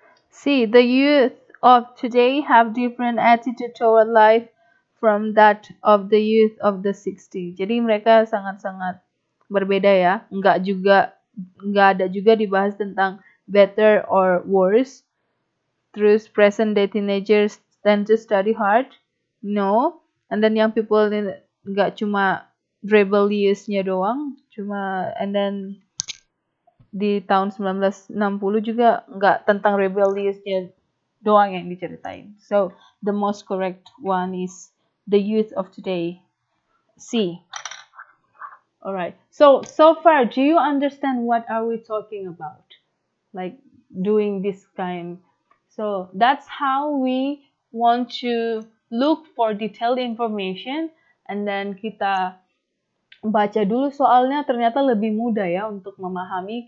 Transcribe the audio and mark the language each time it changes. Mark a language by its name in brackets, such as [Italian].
[English] See, the youth of today have different attitude toward life from that of the youth of the 60. [Indonesian] Jadi mereka sangat-sangat berbeda ya. Enggak ada juga dibahas tentang [English] better or worse. [Indonesian] Terus [English] present day teenagers tend to study hard. No. And then young people [Indonesian] enggak cuma rebelliousnya doang, cuma [English] and then [Indonesian] di tahun 1960 juga enggak tentang rebelliousnya doang yang diceritain. [English] So, the most correct one is the youth of today. See. Alright. So far, do you understand what are we talking about? Like doing this kind. So that's how we want to look for detailed information. And then [Indonesian] kita baca dulu soalnya. Ternyata lebih mudah ya untuk memahami.